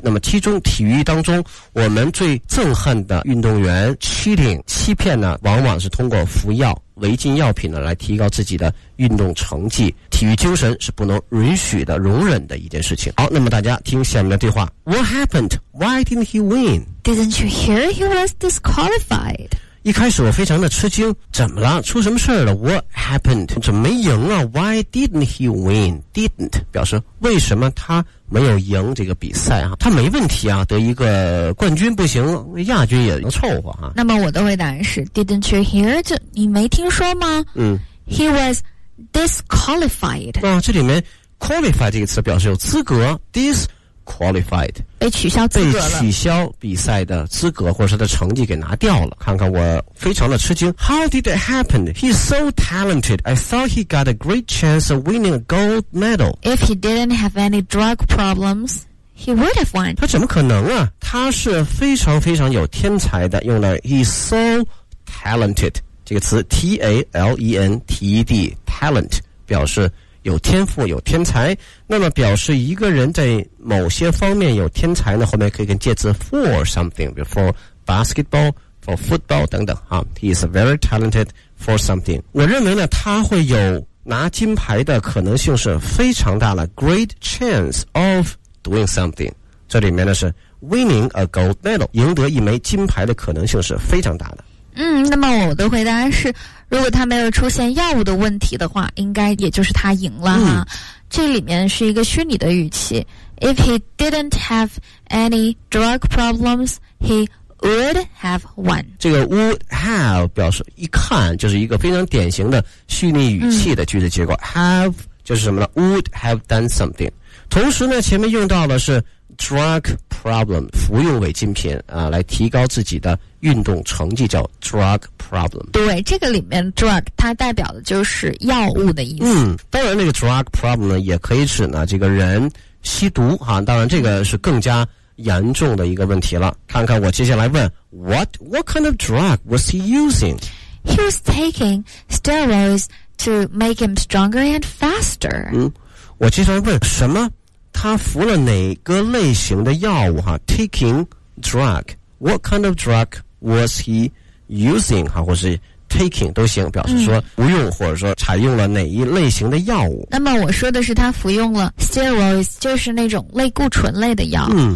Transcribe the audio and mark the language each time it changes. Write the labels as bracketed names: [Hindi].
[Chinese] 那么其中体育当中我们最憎恨的运动员 cheating 欺骗呢，往往是通过服药违禁药品呢来提高自己的运动成绩，体育精神是不能允许的容忍的一件事情。好，那么大家听下面的对话。 [English] What happened? Why didn't he win? Didn't you hear he was disqualified? [Chinese] 一开始我非常的吃惊，怎么了？出什么事了？ [English] What happened? [Chinese] 怎么没赢啊？ [English] Why didn't he win? [Chinese] Didn't 表示为什么他没有赢这个比赛啊？他没问题啊，得一个冠军不行，亚军也能凑合啊。那么我的回答是 [English] Didn't you hear? [Chinese] 这你没听说吗？嗯， [English] He was disqualified、 [Chinese] 啊、这里面 qualified 这个词表示有资格， disqualified 被取消资格了，被取消比赛的资格或者他的成绩给拿掉了。看看我非常的吃惊。 [English] How did it happen? He's so talented. I thought he got a great chance of winning a gold medal. If he didn't have any drug problems, he would have won. [Chinese] 他怎么可能啊？他是非常非常有天才的，用了 [English] he's so talented [Chinese] 这个词 T-A-L-E-N-T-E-D talent 表示有天赋有天才。那么表示一个人在某些方面有天才呢，后面可以跟介词 for something， for basketball， for football 等等啊。 [English] He is very talented for something。 [Chinese] 我认为呢他会有拿金牌的可能性是非常大的， [English] great chance of doing something， [Chinese] 这里面呢是 [English] winning a gold medal， [Chinese] 赢得一枚金牌的可能性是非常大的。嗯，那么我的回答是，如果他没有出现药物的问题的话，应该也就是他赢了哈。这里面是一个虚拟的语气， [English] If he didn't have any drug problems, he would have won。 [Chinese] 这个 would have 表示一看就是一个非常典型的虚拟语气的句子结构、have 就是什么呢？ [English] would have done something。 [Chinese] 同时呢前面用到的是drug problem， 服用违禁品啊，来提高自己的运动成绩叫 drug problem。对，这个里面 drug 它代表的就是药物的意思。嗯，当然那个 drug problem 呢也可以指呢这个人吸毒啊，当然这个是更加严重的一个问题了。看看我接下来问 [English] What kind of drug was he using? He was taking steroids to make him stronger and faster。 [Chinese] 嗯，我接下来问什么，他服了哪个类型的药物哈？ Taking drug， [English] What kind of drug was he using [Chinese] 哈，或是 taking 都行，表示说不用、或者说采用了哪一类型的药物。那么我说的是他服用了 steroids， 就是那种类固醇类的药。